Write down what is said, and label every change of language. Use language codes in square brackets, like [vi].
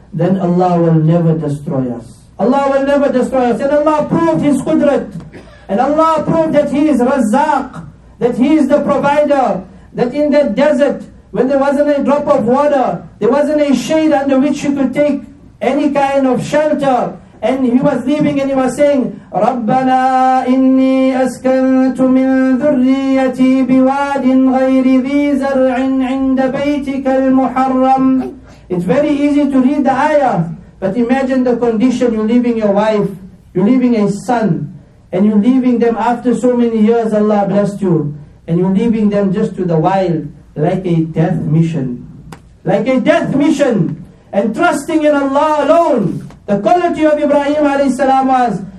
[en] Then Allah will never destroy us. Allah will never destroy us. And Allah proved his qudrat. And Allah proved that he is Razzaq, that he is the provider. That in that desert, when there wasn't a drop of water, there wasn't a shade under which you could take any kind of shelter. And he was leaving and he was saying, [ar] رَبَّنَا إِنِّي أَسْكَنْتُ مِنْ ذُرِّيَّتِي بِوَادٍ غَيْرِ ذِي زَرْعٍ عِنْدَ بَيْتِكَ الْمُحَرَّمِ. [en] It's very easy to read the ayah, but imagine the condition. You're leaving your wife, you're leaving a son, and you're leaving them after so many years, Allah blessed you, and you're leaving them just to the wild, like a death mission. Like a death mission, and trusting in Allah alone. The quality of Ibrahim alayhi salam was,